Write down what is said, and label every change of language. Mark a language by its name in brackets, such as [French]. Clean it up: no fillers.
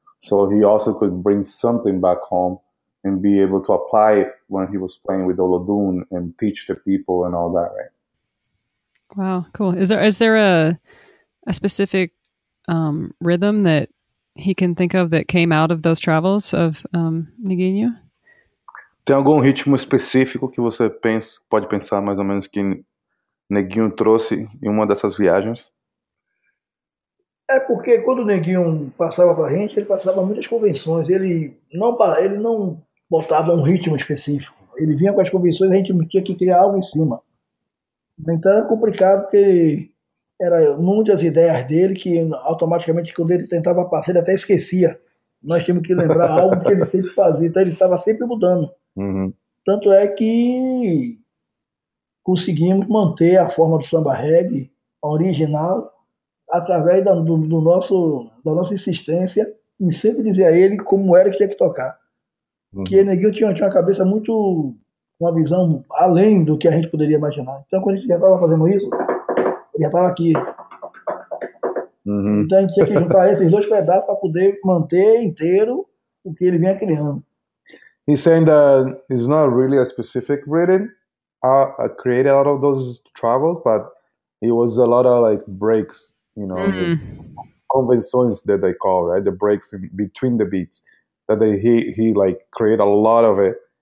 [English] So he also could bring something back home and be able to apply it when he was playing with Olodum and teach the people and all that, right? Wow, cool. Is there a specific rhythm that he can think of that came out of those travels of Niginyu? [Portuguese] Tem algum ritmo específico que você pode pensar mais ou menos que Neguinho trouxe em uma dessas viagens? É porque quando o Neguinho passava pra gente, ele passava muitas convenções. Ele não botava um ritmo específico. Ele vinha com as convenções, a gente tinha que criar algo em cima. Então era complicado, porque eram muitas ideias dele que automaticamente, quando ele tentava passar, ele até esquecia. Nós tínhamos que lembrar algo que ele sempre fazia. Então ele estava sempre mudando. Uhum. Tanto é que conseguimos manter a forma do samba reggae original através da nossa insistência em sempre dizer a ele como era que tinha que tocar. Que Neguinho tinha uma cabeça muito, uma visão além do que a gente poderia imaginar. Então, quando a gente já estava fazendo isso, ele já estava aqui. Uhum. Então, a gente tinha que juntar esses dois pedaços para poder manter inteiro o que ele vinha criando. [English] He's saying that it's not really a specific rhythm. created a lot of those travels, but it was a lot of like breaks, you know, mm-hmm. Convenciones that they call, right? The breaks in between the beats that he like create a lot of it.